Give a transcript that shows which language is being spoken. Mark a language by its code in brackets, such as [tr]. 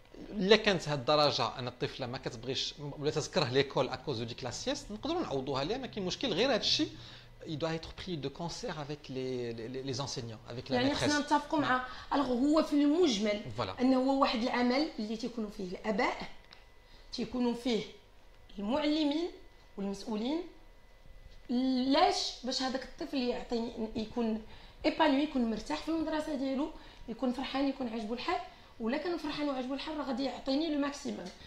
[ar] الا كانت هاد الدرجه ان الطفله ما كتبغيش ولا تكره ليكول اكوز ديك لا سيست، نقدروا نعوضوها ليها، ما كاين مشكل. غير هذا الشيء [fr] il doit être pris de concert avec les enseignants avec la maîtresse. [ar] يعني خصنا نتفقوا مع الوغ هو في المجمل انه هو واحد العمل اللي تيكونوا فيه الاباء، تيكونوا فيه المعلمين والمسؤولين، لاش باش هذاك الطفل يعطي يكون ايبانوي، يكون مرتاح في المدرسه ديالو، يكون فرحان، يكون عاجبو الحال، ولا كان فرحان وعاجبو الحال راه غادي يعطيني لو ماكسيموم.